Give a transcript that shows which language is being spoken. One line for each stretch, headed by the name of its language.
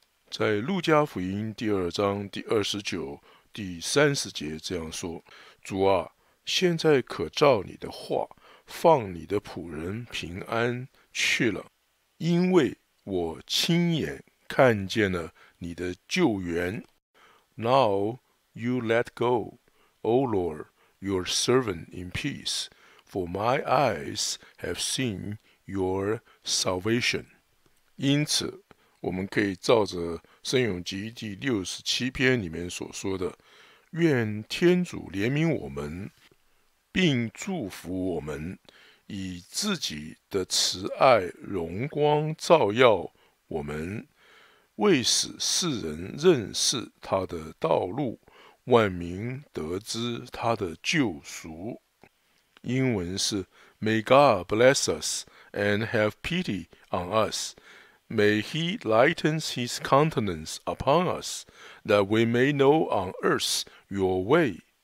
Chinese: 在路加福音第二章第29、第30节这样说：主啊，现在可照你的话，放你的仆人平安去了。因为我亲眼看见了你的救援。
English: Now you let go, O Lord, your servant in peace, for my eyes have seen your salvation。
Chinese: 因此，我们可以照着《圣咏集》第67篇里面所说的，愿天主怜悯我们，并祝福我们，以自己的慈爱荣光照耀我们，为使世人认识他的道路，万民得知他的救赎。英文是
English: May God bless us and have pity on us. May he lighten his countenance upon us, that we may know on earth your way.